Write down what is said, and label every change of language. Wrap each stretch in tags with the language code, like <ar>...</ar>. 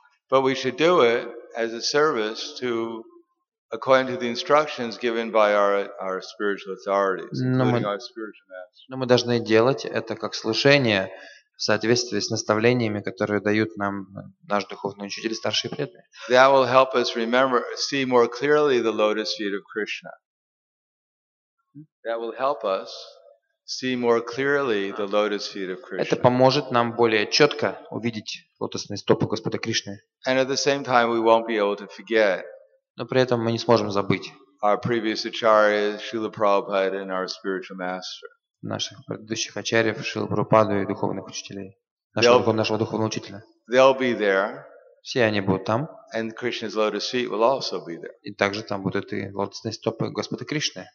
<en>But we should do it as a service to according to the instructions given by our spiritual authorities, including our spiritual master.</en> <ru>Но мы должны делать это как служение в соответствии с наставлениями, которые дают нам наш духовный учитель, старший преданный.</ru> <en>That will help us remember, see more clearly the lotus feet of Krishna. That will help us see more clearly the lotus feet of Krishna.</en> <ru>Это поможет нам более четко увидеть лотосные стопы Господа Кришны. And at the same time, we won't be able to forget. Но при этом мы не сможем забыть наших предыдущих ачарьев, Шрилу Прабхупаду и духовных учителей, нашего духовного учителя. Все они будут там. И также там будут и лотосные стопы Господа Кришны.</ru>